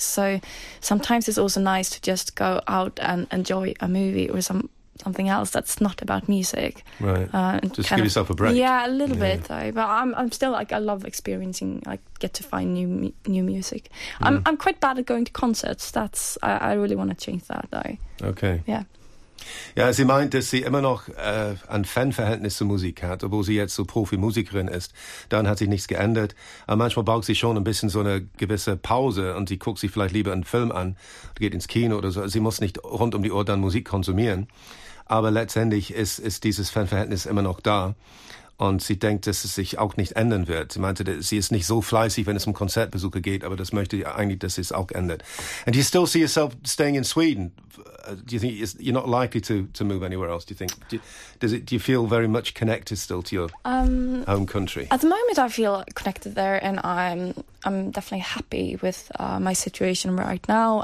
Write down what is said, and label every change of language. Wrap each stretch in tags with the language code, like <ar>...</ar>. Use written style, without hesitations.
<en>So sometimes it's also nice to just go out and enjoy a movie or something else that's not about music. Right. Just give yourself a break. Yeah, a little bit though. But I'm still like, I love experiencing, like get to find new music. I'm quite bad at going to concerts. That's, I really want to change that though. Okay. Yeah.</en> <de>Ja, sie meint, dass sie immer noch ein Fanverhältnis zur Musik hat, obwohl sie jetzt so Profimusikerin ist. Dann hat sich nichts geändert. Aber manchmal braucht sie schon ein bisschen so eine gewisse Pause und sie guckt sich vielleicht lieber einen Film an, geht ins Kino oder so. Sie muss nicht rund um die Uhr dann Musik konsumieren. Aber letztendlich ist dieses Fanverhältnis immer noch da. Und sie denkt, dass es sich auch nicht ändern wird. Sie meinte, sie ist nicht so fleißig, wenn es um Konzertbesuche geht, aber das möchte eigentlich, dass es auch ändert.</de> <en>And you still see yourself staying in Sweden? Do you think you're not likely to move anywhere else? Do you think? Do you feel very much connected still to your home country? At the moment, I feel connected there, and I'm definitely happy with my situation right now.</en>